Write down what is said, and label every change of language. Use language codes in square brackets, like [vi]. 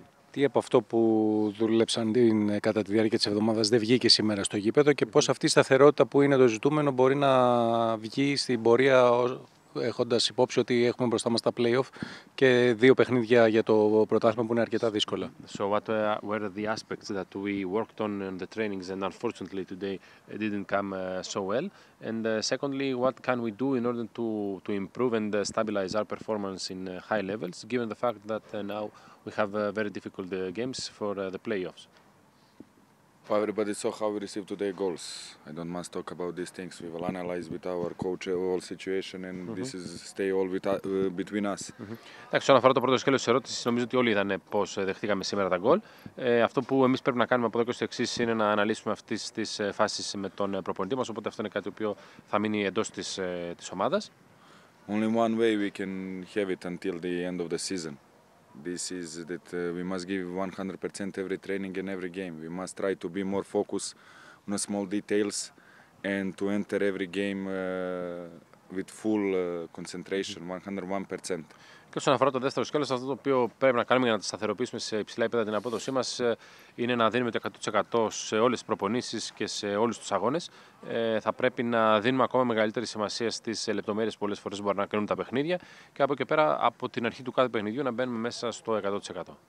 [el] Τι από αυτό που δούλεψαν κατά τη διάρκεια της εβδομάδας δεν βγήκε σήμερα στο γήπεδο και πώς αυτή η σταθερότητα που είναι το ζητούμενο μπορεί να βγει στην πορεία έχοντας υπόψη ότι έχουμε μπροστά μας τα play-off και δύο παιχνίδια για το πρωτάθλημα που είναι αρκετά δύσκολα. [en] So what were the aspects that we worked on in the trainings and unfortunately today didn't come so well? And secondly, what can we do in order to improve and stabilize our performance in high levels given the fact that now we have very difficult games for the playoffs. Well, everybody saw how we received today goals. I don't must talk about these things. We will analyze with our coach all situation and mm-hmm. this is stay all with between us. [el] Εντάξει, όσον αφορά το πρώτο σκέλος της ερώτησης, νομίζω ότι όλοι είδανε πώς δεχτήκαμε σήμερα τα γκολ. Αυτό που εμείς πρέπει να κάνουμε από εδώ και στο εξής είναι να αναλύσουμε αυτές τις φάσεις με τον προπονητή μας, οπότε αυτό είναι κάτι που θα μείνει εντός της ομάδας. [en] Only one way we can have it until the end of the season. This is that we must give 100% every training and every game. We must try to be more focused on the small details and to enter every game with full concentration, 101%. [el] Και όσον αφορά το δεύτερο σκέλος, αυτό το οποίο πρέπει να κάνουμε για να σταθεροποιήσουμε σε υψηλά επίπεδα την απόδοσή μας είναι να δίνουμε το 100% σε όλες τις προπονήσεις και σε όλους τους αγώνες. Θα πρέπει να δίνουμε ακόμα μεγαλύτερη σημασία στις λεπτομέρειες που πολλές φορές μπορούν να κρίνουν τα παιχνίδια και από εκεί πέρα, από την αρχή του κάθε παιχνιδιού, να μπαίνουμε μέσα στο 100%.